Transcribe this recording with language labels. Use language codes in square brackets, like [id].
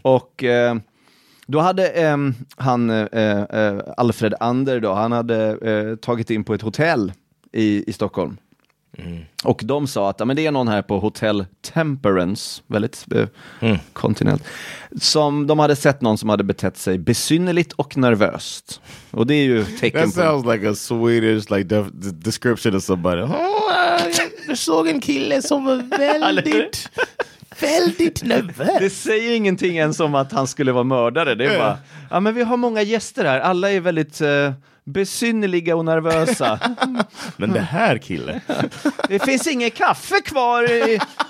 [sv] Och då hade Alfred Ander då, han hade tagit in på ett hotell i Stockholm. Mm. Och de sa att men det är någon här på Hotel Temperance, väldigt kontinent, som de hade sett någon som hade betett sig besynnerligt och nervöst. Och det är ju tecken [en] på. That sounds like a Swedish like description of somebody. [sv] Jag såg en kille som var väldigt väldigt nervös. Det säger ingenting ens om att han skulle vara mördare. Det är bara, ja men vi har många gäster här. Alla är väldigt besynnerliga och nervösa. Men det här kille. Det finns inget kaffe kvar i.